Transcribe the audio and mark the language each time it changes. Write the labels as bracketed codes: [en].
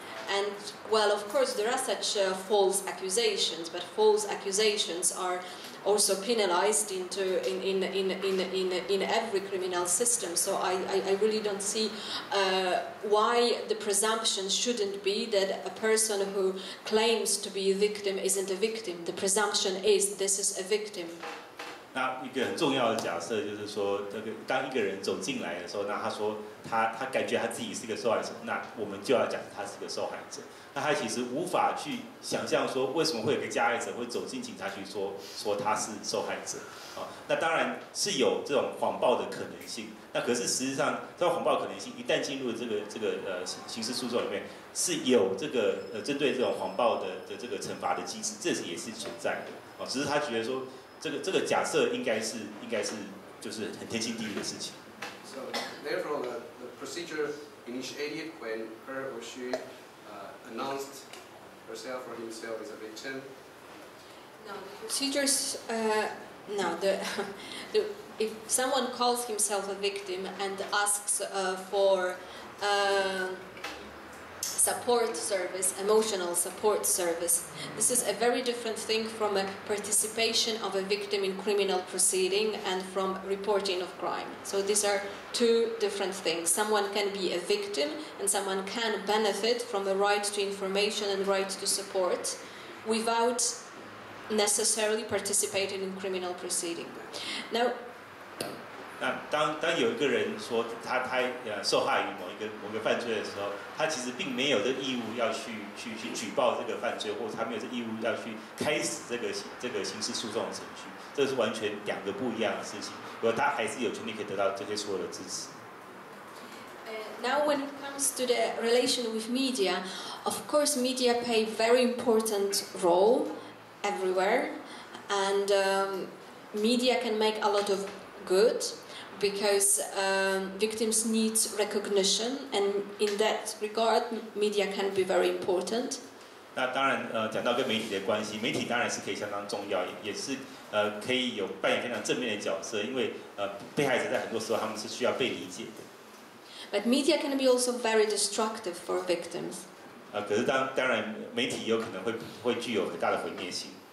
[en] And, well, of course, there are such false accusations, but false accusations are also penalized in every criminal system. So I really don't see why the presumption shouldn't be that a person who claims to be a victim isn't a victim. The presumption is this is a victim. [zh] 那一个很重要的假设就是说，这个当一个人走进来的时候，那他说他感觉他自己是一个受害者，那我们就要讲他是一个受害者。那他其实无法去想象说，为什么会有个加害者会走进警察局说他是受害者啊？那当然是有这种谎报的可能性。那可是实际上，这种谎报可能性一旦进入这个刑事诉讼里面，是有这个针对这种谎报的这个惩罚的机制，这也是存在的啊。只是他觉得说。这个假设应该是就是很天经地义的事情。 [en] So therefore, the procedure initiated when her or she announced herself or himself as a victim. No, the procedures. No, if someone calls himself a victim and asks for support service, emotional support service. This is a very different thing from a participation of a victim in criminal proceeding and from reporting of crime. So these are two different things. Someone can be a victim and someone can benefit from the right to information and right to support without necessarily participating in criminal proceeding. Now, [zh] 当有一个人说他受害于某个犯罪的时候，他其实并没有这义务要去举报这个犯罪，或者他没有这义务要去开始这个刑事诉讼的程序，这是完全两个不一样的事情。不过他还是有权利可以得到这些所有的支持。 [en] Now when it comes to the relation with media, of course media play a very important role everywhere, and media can make a lot of good. Because victims need recognition, and in that regard, media can be very important. [zh] 那当然，讲到跟媒体的关系，媒体当然是可以相当重要，也是可以有扮演非常正面的角色，因为被害者在很多时候他们是需要被理解的。 [en] But media can be also very destructive for victims. [zh] 可是当然，媒体有可能会具有很大的毁灭性。